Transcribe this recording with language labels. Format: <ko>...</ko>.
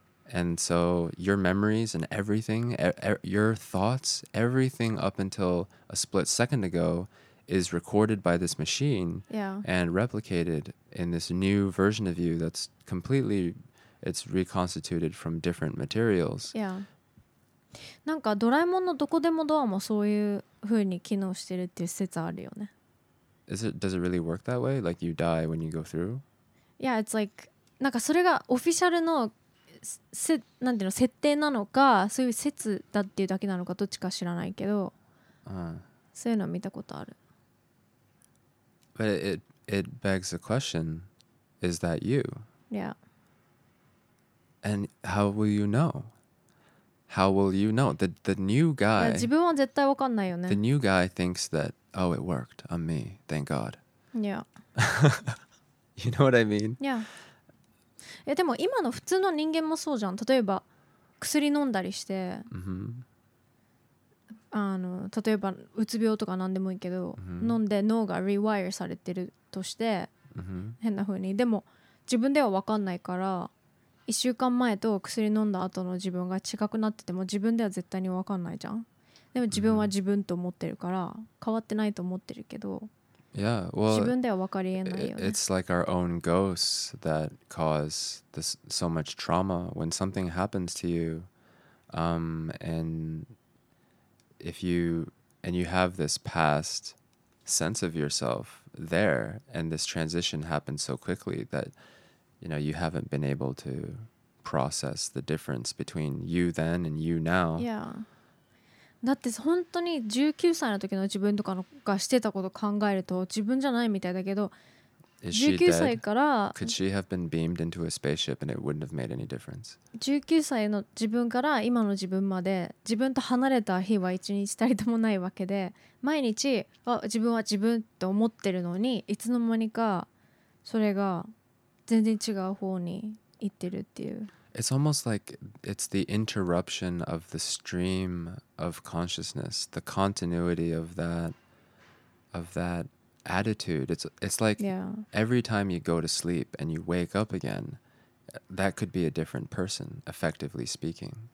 <en>And so your memories and everything, your thoughts, everything up until a split second ago is recorded by this machine and replicated in this new version of you that's completely, it's reconstituted from different materials. Yeah.</en> <ja>なんかドラえもんのどこでもドアもそういう風に機能してるっていう説あるよね。</ja> <en>Does it really work that way? Like you die when you go through? Yeah, it's like,</en> <ja>なんかそれがオフィシャルの、なんていうの、設定なのか、そういう説だっていうだけなのか、どっちか知らないけど、そういうの見たことある。</ja> <en>But it begs the question, is that you? Yeah. And how will you know? How will you know? The new guy...</en> <ja>自分は絶対わかんないよね。</ja> <en>The new guy thinks that, oh, it worked on me, thank God. Yeah. You know what I mean? Yeah.</en> <ja>え、でも今の普通の人間もそうじゃん。例えば薬飲んだりして、 mm-hmm. 例えばうつ病とか何でもいいけど、mm-hmm. 飲んで脳がリワイアされてるとして、 mm-hmm. 変な風に、でも自分では分かんないから、1週間前と薬飲んだ後の自分が近くなってても自分では絶対に分かんないじゃん。でも自分は自分と思ってるから変わってないと思ってるけど、</ja> <en>Yeah, well,</en> <ja>自分では分かり得ないよね。</ja> <en>It's like our own ghosts that cause this so much trauma. When something happens to you, and you have this past sense of yourself there, and this transition happens so quickly that you know, you haven't been able to process the difference between you then and you now. Yeah.</en> <ja>だって本当に19歳の時の自分とかのがしてたこと考えると自分じゃないみたいだけど、 19歳から</ja> <en>Could she have been beamed into a spaceship and it wouldn't have made any difference?</en> <ja>19歳の自分から今の自分まで自分と離れた日は一日たりともないわけで、毎日あ自分は自分と思ってるのに、いつの間にかそれが全然違う方に行ってるっていう。</ja> <en>It's almost like it's the interruption of the stream of consciousness, the continuity of that attitude. It's like、 yeah. every time you go to sleep and you wake up again, that could be a different person, effectively speaking.</en>